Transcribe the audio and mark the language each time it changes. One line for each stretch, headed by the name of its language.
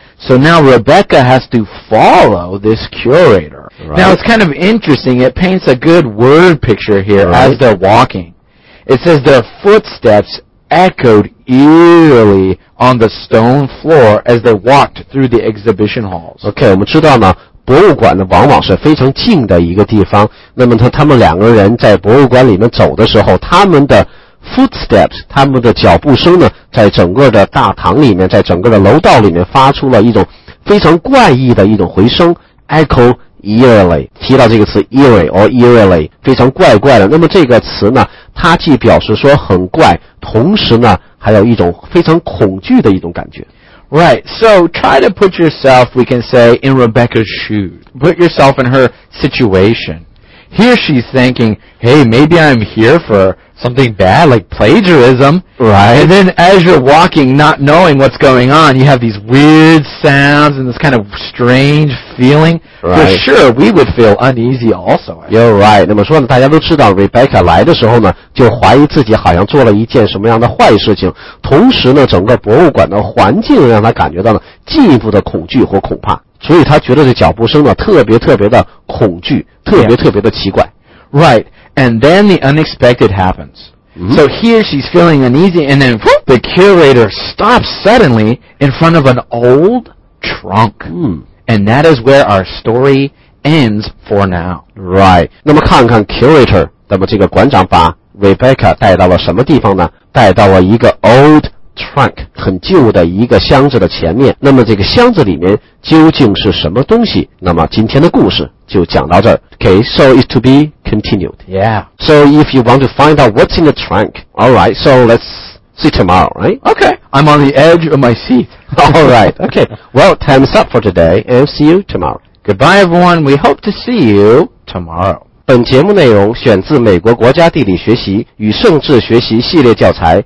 English: So now Rebecca has to follow this curator. Right. Now it's kind of interesting. It paints a good word picture here right. as they're walking. It says their footsteps echoed eerily on the stone floor as they walked through the exhibition halls. Okay,
Chinese: 我们知道呢博物馆呢往往是非常静的一个地方。那么他们两个人在博物馆里面走的时候，他们的footsteps, 他们的脚步声呢在整个的大堂里面在整个的楼道里面发出了一种非常怪异的一种回声 echo eerily, 提到这个词 eerie or eerily, 非常怪怪的。那么这个词呢它既表示说很怪同时呢还有一种非常恐惧的一种感觉。
English: Right, so try to put yourself, we can say, in Rebecca's shoes. Put yourself in her situation. Here she's thinking, hey, maybe I'm here for something bad, like plagiarism. Right. And then as you're walking, not knowing what's going on, you have these weird sounds and this kind of strange feeling. Right. For sure, we would feel uneasy also. You're right.
Chinese: 那么说呢，大家都知道 Rebecca 来的时候呢，就怀疑自己好像做了一件什么样的坏事情。同时呢，整个博物馆的环境让她感觉到了进一步的恐惧和恐怕。所以他觉得这脚步声呢特别特别的恐惧特别特别的奇怪。
English: Yeah. Right, and then the unexpected happens.、 Mm-hmm. So here she's feeling uneasy and then whoop, the curator stops suddenly in front of an old trunk.、 Mm. And that is where our story ends for now. Right,
Chinese: 那么看看 curator, 那么这个馆长把 Rebecca 带到了什么地方呢带到了一个 old trunk. Trunk 很旧的一个箱子的前面那么这个箱子里面究竟是什么东西那么今天的故事就讲到这儿
English: Okay, so it's to be continued Yeah So if you want to find out what's in the trunk Alright, so let's see tomorrow, right? Okay, I'm on the edge of my seat Alright, okay Well, time's up for today And see you tomorrow Goodbye everyone, we hope to see you tomorrow
Chinese: 本节目内容选自美国国家地理学习与政治学习系列教材。